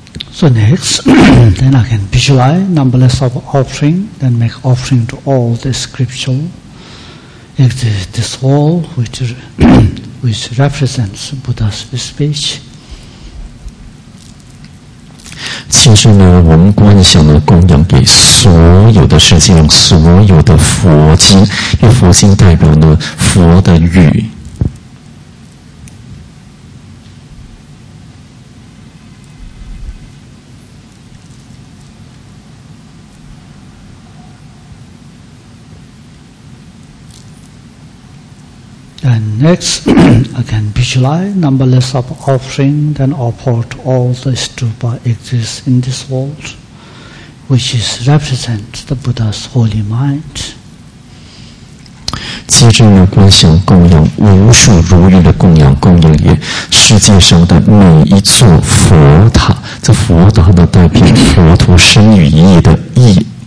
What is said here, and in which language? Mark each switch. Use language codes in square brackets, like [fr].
[en] So next, then I can visualize numberless of offering, then make offering to all the scriptural exist, this wall which, which represents Buddha's speech. [zh] 其实呢，我们观想的供养给所有的世界，所有的佛经，因为佛经代表呢佛的语。 [en] Next, I can visualize numberless of offering then offer to all the stupa exists in this world, which is represent the Buddha's holy mind. [zh] 接着呢，观想供养无数如愿的供养，供养于世界上的每一座佛塔。这佛塔呢，代表佛陀身与意的意。